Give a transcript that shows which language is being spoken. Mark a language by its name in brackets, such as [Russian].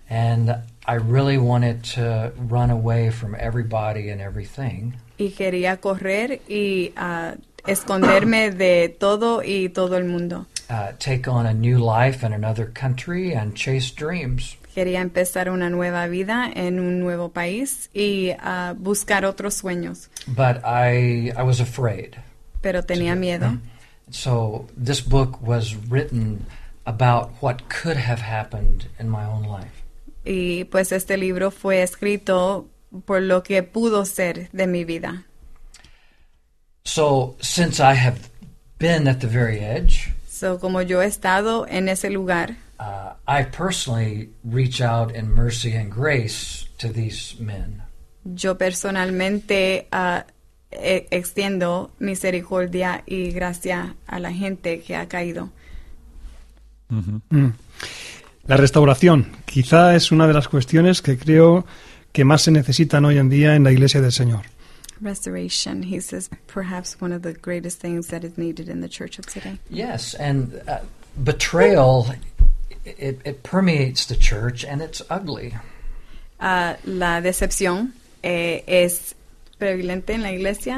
[English] And I really wanted to run away from everybody and everything. [Spanish] Y quería correr y esconderme de todo y todo el mundo. [English] Take on a new life in another country and chase dreams. [Spanish] Quería empezar una nueva vida en un nuevo país y buscar otros sueños. [English] But I was afraid. [Spanish] Pero tenía miedo. [English] So this book was written about what could have happened in my own life. [Spanish] Y pues este libro fue escrito por lo que pudo ser de mi vida. [English] So since I have been at the very edge. [Spanish] So, como yo he estado en ese lugar, [English] I personally reach out in mercy and grace to these men. [Spanish] Yo personalmente extiendo misericordia y gracia a la gente que ha caído. La restauración quizá es una de las cuestiones que creo que más se necesitan hoy en día en la Iglesia del Señor. [English] Restoration, he says, perhaps one of the greatest things that is needed in the church of today. Yes, and betrayal, it permeates the church, and it's ugly. [Spanish] La decepción es prevalente en la iglesia.